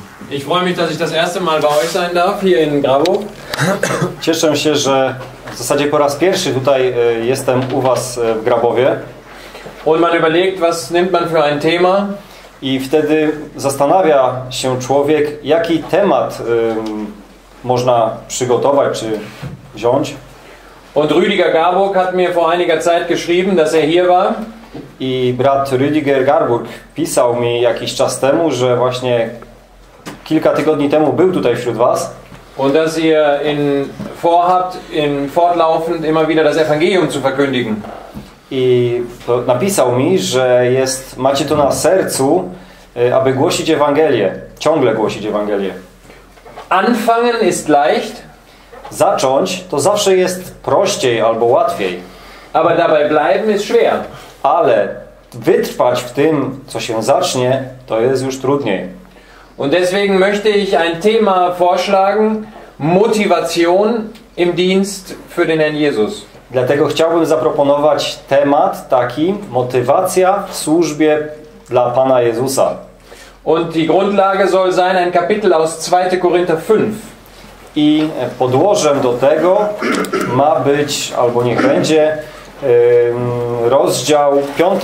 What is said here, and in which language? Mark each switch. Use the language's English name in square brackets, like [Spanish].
[German] Ich freue mich, dass ich das erste Mal bei euch sein darf hier in Grabow. [Polish] Cieszę się, że w zasadzie po raz pierwszy tutaj jestem u was w Grabowie. [German] Und man überlegt, was nimmt man für ein Thema? [Polish] I wtedy zastanawia się człowiek, jaki temat można przygotować czy wziąć. [German] Und Rüdiger Garburg hat mir vor einiger Zeit geschrieben, dass er hier war. [Polish] I brat Rüdiger Garburg pisał mi jakiś czas temu, że właśnie kilka tygodni temu był tutaj wśród was. [German] Und dass ihr in vorhabt, in fortlaufend immer wieder das Evangelium zu verkündigen. [Polish] I napisał mi, że jest, macie to na sercu, aby głosić Ewangelię, ciągle głosić Ewangelię. [German] Anfangen ist leicht. [Polish] Zacząć to zawsze jest prościej albo łatwiej. [German] Aber dabei bleiben ist schwer. [Polish] Ale wytrwać w tym, co się zacznie, to jest już trudniej. [German] Und deswegen möchte ich ein Thema vorschlagen, Motivation im Dienst für den Herrn Jesus. [Polish] Dlatego chciałbym zaproponować temat taki, motywacja w służbie dla Pana Jezusa. [German] Und die Grundlage soll sein ein Kapitel aus 2. Korinther 5. [Polish] I podłożem do tego ma być, albo niech będzie, rozdział, 5.